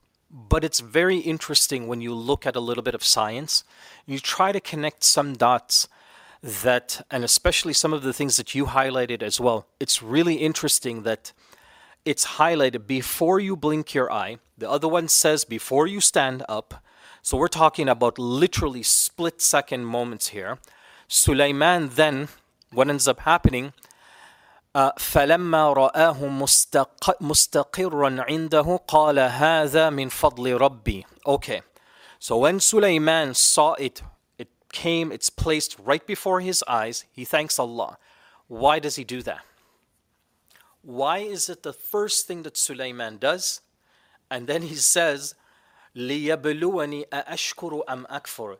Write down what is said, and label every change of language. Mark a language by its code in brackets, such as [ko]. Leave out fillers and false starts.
[en] But it's very interesting when you look at a little bit of science, you try to connect some dots that, and especially some of the things that you highlighted as well, it's really interesting that it's highlighted before you blink your eye. The other one says before you stand up. So we're talking about literally split second moments here. Sulaiman then, what ends up happening, [ar] فَلَمَّا رَآهُ مُسْتَقِرًا عِنْدَهُ قَالَ هَذَا مِنْ فَضْلِ رَبِّي. [en] Okay, so when Sulaiman saw it, it came, it's placed right before his eyes, he thanks Allah. Why does he do that? Why is it the first thing that Sulaiman does? And then he says, [ar] لِيَبْلُوَنِي أَأَشْكُرُ أَمْ أَكْفُرُ.